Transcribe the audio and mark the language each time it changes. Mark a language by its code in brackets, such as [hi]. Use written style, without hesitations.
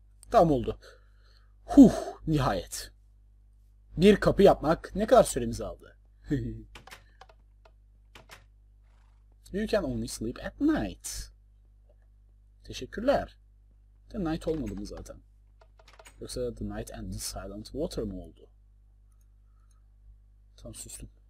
[tr] Tam oldu. Huh, nihayet. Bir kapı yapmak ne kadar süremizi aldı? [en] You can only sleep at night. [tr] Teşekkürler. [en] The night [tr] olmadı mı zaten? Yoksa [en] the night and the silent water [tr] mı oldu? Tam sustum.